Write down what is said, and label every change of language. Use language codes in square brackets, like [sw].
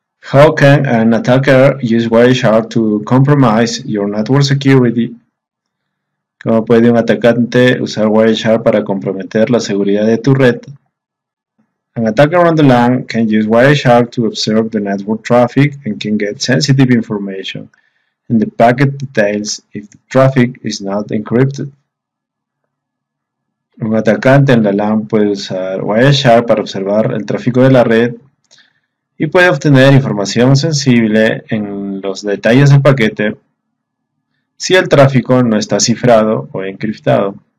[en] How can an attacker use Wireshark to compromise your network security? [es] ¿Cómo puede un atacante usar Wireshark para comprometer la seguridad de tu red? [en] An attacker on the LAN can use Wireshark to observe the network traffic and can get sensitive information in the packet details if the traffic is not encrypted. [es] Un atacante en la LAN puede usar Wireshark para observar el tráfico de la red y puede obtener información sensible en los detalles del paquete si el tráfico no está cifrado o encriptado.